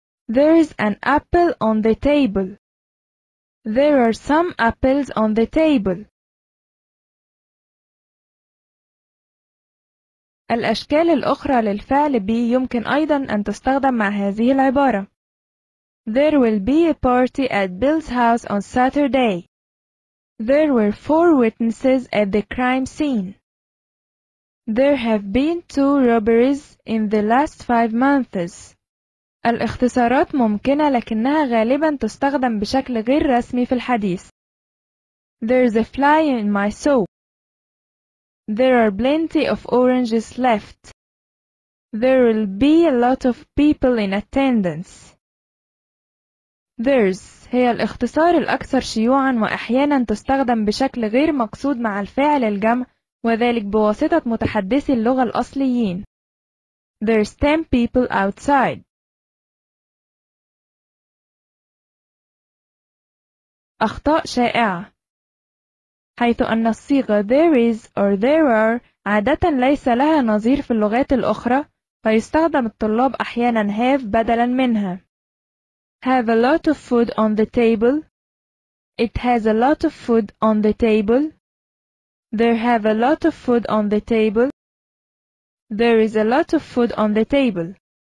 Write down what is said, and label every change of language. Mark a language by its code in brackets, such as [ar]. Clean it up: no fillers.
[en] There is an apple on the table. There are some apples on the table. [ar] الأشكال الأخرى للفعل be يمكن أيضاً أن تستخدم مع هذه العبارة. [en] There will be a party at Bill's house on Saturday. There were four witnesses at the crime scene. There have been two robberies in the last five months. [ar] الاختصارات ممكنة لكنها غالباً تستخدم بشكل غير رسمي في الحديث. [en] There's a fly in my soap. There are plenty of oranges left. There will be a lot of people in attendance. [ar] There's هي الاختصار الأكثر شيوعاً وأحياناً تستخدم بشكل غير مقصود مع الفاعل الجمع وذلك بواسطة متحدثي اللغة الأصليين. [en] There's 10 people outside. [ar] أخطاء شائعة حيث أن الصيغة [en] there is or there are [ar] عادة ليس لها نظير في اللغات الأخرى فيستخدم الطلاب أحيانا have بدلا منها. [en] Have a lot of food on the table. It has a lot of food on the table. There have a lot of food on the table. There is a lot of food on the table.